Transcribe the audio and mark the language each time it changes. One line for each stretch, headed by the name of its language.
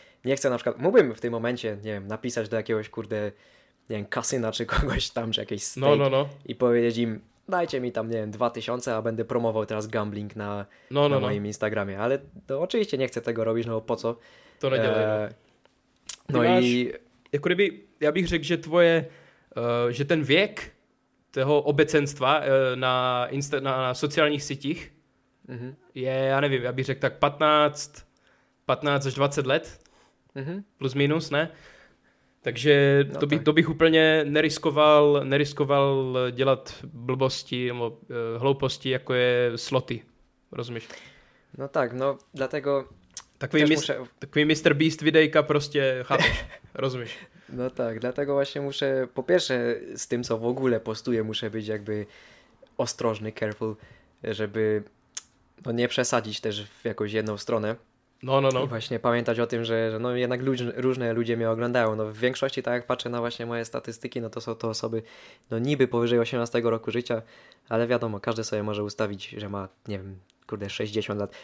Polish: Nie chcę na przykład, mógłbym w tym momencie, nie wiem, napisać do jakiegoś, kurde, nie wiem, kasyna czy kogoś tam, czy jakiejś steak no. i powiedzieć im, dajcie mi tam, nie wiem, 2000, a będę promował teraz gambling na moim Instagramie. Ale to oczywiście nie chcę tego robić, no bo po co? To nie działa. No i... Jako gdyby,
Czech: ja bych rzekł, że twoje, że ten wiek toho obecenstva na sociálních sítích je, já nevím, já bych řekl tak 15 až 20 let, plus minus, ne? Takže no to, tak. to bych úplně neriskoval dělat blbosti nebo hlouposti, jako je sloty, rozumíš?
Polish: No tak, no, dlatego...
Czech: Takový Mr. Beast videjka prostě, chápeš, rozumíš?
Polish: No tak, dlatego właśnie muszę, po pierwsze z tym, co w ogóle postuję, muszę być jakby ostrożny, careful, żeby no, nie przesadzić też w jakąś jedną stronę. No. I właśnie pamiętać o tym, że no, jednak różne ludzie mnie oglądają. No, w większości, tak jak patrzę na właśnie moje statystyki, no to są to osoby no, niby powyżej 18 roku życia, ale wiadomo, każdy sobie może ustawić, że ma, nie wiem, kurde, 60 lat.